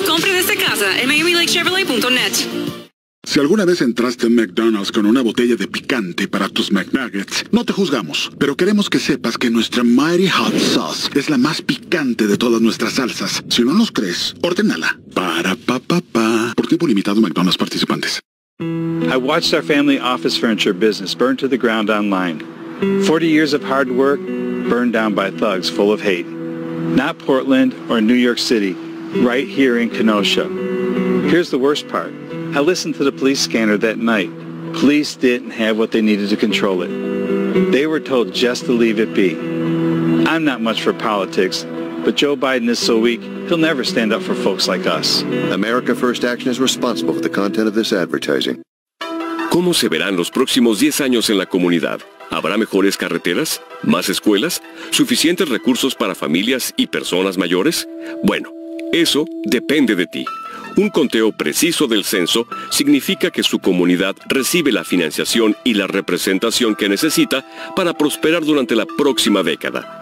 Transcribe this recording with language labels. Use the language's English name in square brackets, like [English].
[Spanish] Compre desde casa en MiamiLakeChevrolet.net. Si alguna vez entraste en McDonald's con una botella de picante para tus McNuggets, no te juzgamos, pero queremos que sepas que nuestra Mighty Hot Sauce es la más picante de todas nuestras salsas. Si no nos crees, órdenala. Para pa pa pa. Por tiempo limitado, McDonald's participantes. [English] I watched our family office furniture business burn to the ground online. 40 years of hard work burned down by thugs full of hate. Not Portland or New York City, right here in Kenosha. Here's the worst part. I listened to the police scanner that night. Police didn't have what they needed to control it. They were told just to leave it be. I'm not much for politics, but Joe Biden is so weak, he'll never stand up for folks like us. America First Action is responsible for the content of this advertising. [Spanish] ¿Cómo se verán los próximos 10 años en la comunidad? ¿Habrá mejores carreteras? ¿Más escuelas? ¿Suficientes recursos para familias y personas mayores? Bueno, eso depende de ti. Un conteo preciso del censo significa que su comunidad recibe la financiación y la representación que necesita para prosperar durante la próxima década.